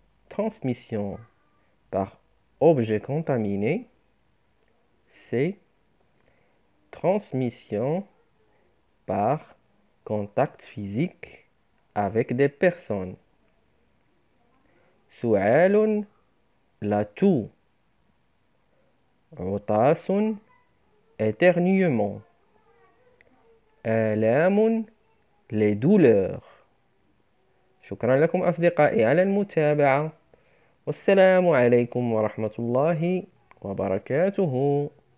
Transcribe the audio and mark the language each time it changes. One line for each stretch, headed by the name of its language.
French: Transmission par objet contaminé. C. Transmission par contact physique avec des personnes.
Arabic: سعال
French: la toux.
Arabic: عطاس
French: éternuement.
Arabic: آلام
French: les douleurs.
Arabic: شكرا لكم أصدقائي على المتابعة، والسلام عليكم ورحمة الله وبركاته.